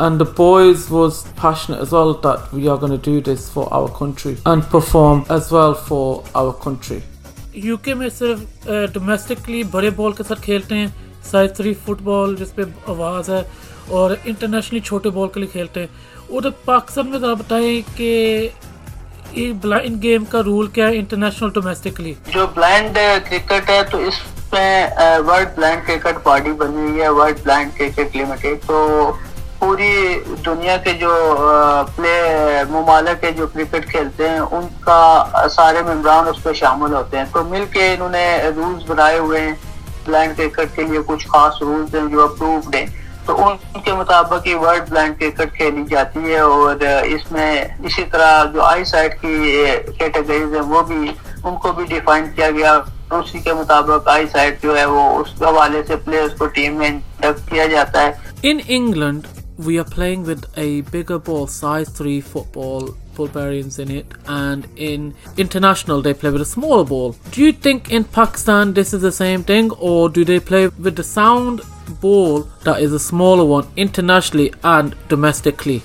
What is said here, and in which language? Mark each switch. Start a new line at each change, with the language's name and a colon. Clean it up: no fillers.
English: And the boys was passionate as well that we are going to do this for our country and perform as well for our country.
Hindi: UK mein sirf domestically bade ball ke sath khelte hain, size 3 football jis pe awaaz hai, और internationally छोटे ball के लिए खेलते हैं। उधर पाकिस्तान में ज़रा बताएं कि ये ब्लाइंड गेम का रूल क्या है इंटरनेशनल डोमेस्टिकली। जो ब्लाइंड क्रिकेट है तो इसमें वर्ल्ड ब्लाइंड क्रिकेट बॉडी बनी हुई है, वर्ल्ड ब्लाइंड क्रिकेट लिमिटेड, तो पूरी दुनिया के जो प्ले ममालिक जो क्रिकेट खेलते हैं उनका सारे मेम्बरान उस पर शामिल होते हैं, तो मिल के इन्होंने रूल्स बनाए हुए हैं ब्लाइंड क्रिकेट के लिए, कुछ खास रूल्स हैं जो अप्रूव्ड हैं, तो उनके मुताबिक ही वर्ल्ड ब्लाइंड क्रिकेट खेली जाती है। और इसमें इसी तरह जो आई साइट की कैटेगरीज है वो भी उनको भी डिफाइन किया गया, उसी के मुताबिक आई साइट जो है वो उस हवाले से प्लेयर्स को टीम में इंडक्ट किया जाता है।
English: In England we are playing with a bigger ball size 3 football variants in it, and in international they play with a smaller ball. Do you think in Pakistan this is the same thing, or do they play with the sound ball that is a smaller one internationally and domestically?